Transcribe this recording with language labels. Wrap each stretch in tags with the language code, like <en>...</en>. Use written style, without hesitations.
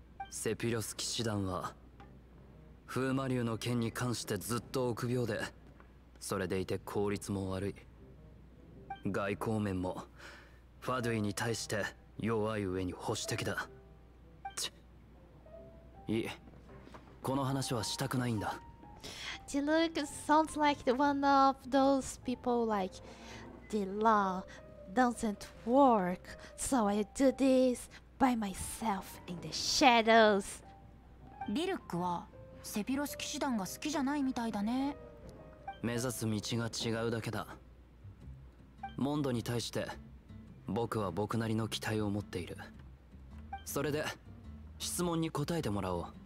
<ja>セピロス騎士団は風魔竜の件に関してずっと臆病で、それでいて効率も悪い。外交面もファドゥイに対して弱い上に保守的だ。チッ。いい。この話はしたくないんだ。</ja> <en>Diluc sounds like one of those people like the law doesn't work, so I do this by myself in the shadows.</en> <ja>Diluc はセピロス騎士団が好きじゃないみたいだね。目指す道が違うだけだ。モンドに対して僕は僕なりの期待を持っている。それで質問に答えてもらおう。</ja>